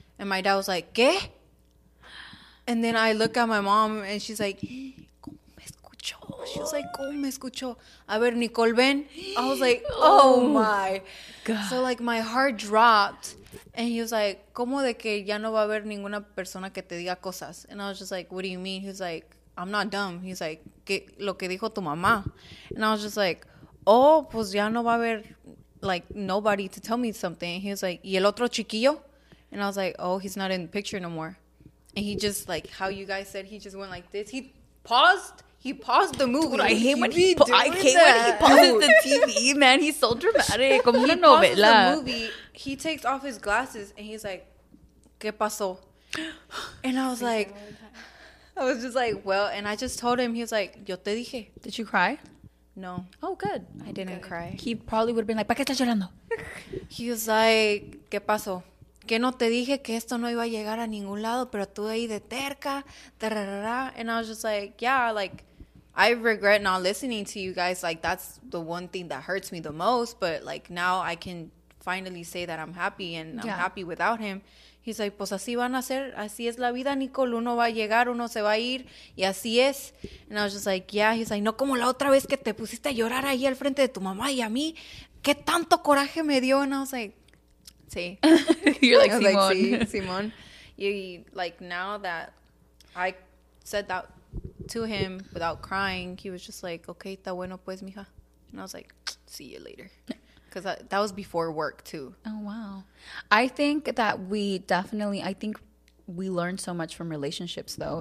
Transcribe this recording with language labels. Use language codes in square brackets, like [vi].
[en] And my dad was like, [es] ¿qué? [en] And then I look at my mom, and she's like, [es] ¿Cómo me escuchó? A ver, Nicole, ven. [en] I was like, oh my God. So, like, my heart dropped. And he was like, [es] ¿cómo de que ya no va a haber ninguna persona que te diga cosas? [en] And I was just like, what do you mean? He was like, I'm not dumb. He's like, [es] ¿qué, lo que dijo tu mamá? [en] And I was just like, oh, [es] pues ya no va a haber, [en] like, nobody to tell me something. And he was like, [es] ¿y el otro chiquillo? [en] And I was like, oh, he's not in the picture no more. And he just, like, how you guys said, he just went like this. He paused. He paused the movie. Dude, I hate when he pauses the TV. Man, he's so dramatic. [es] Como una novela. [en] The movie, he takes off his glasses and he's like, [es] ¿qué pasó? [en] And I was just like, well, and I just told him, he was like, [es] yo te dije. [en] Did you cry? No. Oh, good. I didn't cry. He probably would have been like, [es] ¿para qué estás llorando? [en] He was like, [es] ¿qué pasó? Que no te dije que esto no iba a llegar a ningún lado, pero tú ahí de terca, tararara. [en] And I was just like, yeah, like, I regret not listening to you guys. Like, that's the one thing that hurts me the most. But, like, now I can finally say that I'm happy and I'm happy without him. He's like, [es] pues así van a ser. Así es la vida, Nicole. Uno va a llegar, uno se va a ir. Y así es. [en] And I was just like, yeah. He's like, [es] no como la otra vez que te pusiste a llorar ahí al frente de tu mamá y a mí. ¿Qué tanto coraje me dio? [en] And I was like, see, you're like Simon. Like, Simon, you like now that I said that to him without crying, he was just like, [es] "Okay, está bueno pues, mija," [en] and I was like, "See you later," because that was before work too. Oh wow, I think that we definitely, I think we learn so much from relationships, though.